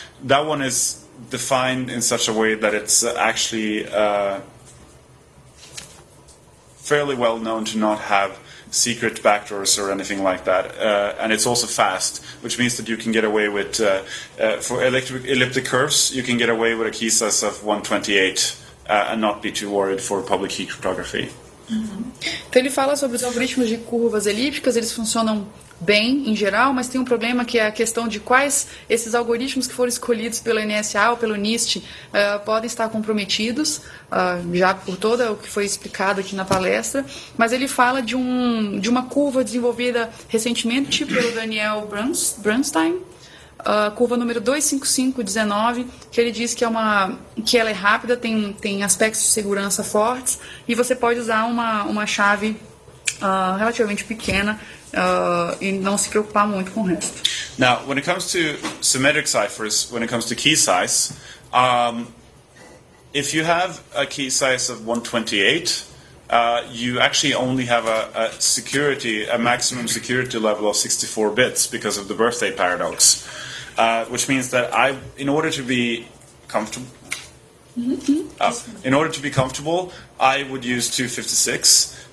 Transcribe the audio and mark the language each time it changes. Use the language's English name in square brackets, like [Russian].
[English] That one is defined in such a way that it's actually fairly well known to not have secret backdoors or anything like that, and it's also fast, which means that you can get away with for elliptic curves, you can get away with a key size of 128 and not be too worried for public key cryptography. Uhum. [Portuguese] Então ele fala sobre os algoritmos de curvas elípticas, eles funcionam bem em geral, mas tem um problema que é a questão de quais esses algoritmos que foram escolhidos pela NSA ou pelo NIST podem estar comprometidos, já por todo o que foi explicado aqui na palestra. Mas ele fala de uma curva desenvolvida recentemente pelo Daniel Bernstein, curva número 25519, que ele diz que ela é rápida, tem aspectos de segurança fortes, e você pode usar uma chave relativamente pequena e não se preocupar muito com o resto. [English] Now, when it comes to symmetric ciphers, when it comes to key size, if you have a key size of 128, you actually only have a security, a maximum security level of 64 bits because of the birthday paradox, which means that I, in order to be comfortable, I would use 256.